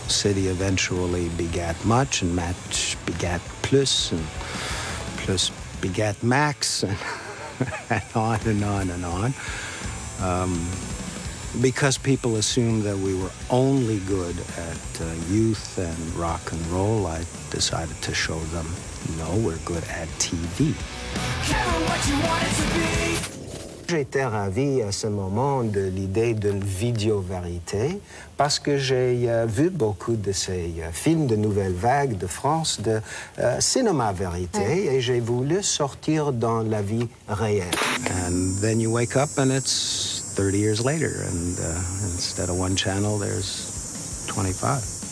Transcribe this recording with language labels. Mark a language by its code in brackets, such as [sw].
[en] City eventually begat Much, and Match begat Plus, and Plus begat Max, and on and on and on. Because people assumed that we were only good at youth and rock and roll, I decided to show them, no, we're good at TV. Kevin, what you want it to be? [fr] J'étais ravi à ce moment de l'idée d'une vidéo-vérité parce que j'ai vu beaucoup de ces films de Nouvelle Vague de France, de cinéma-vérité, mm. Et j'ai voulu sortir dans la vie réelle. [en] And then you wake up and it's 30 years later, and instead of one channel, there's 25.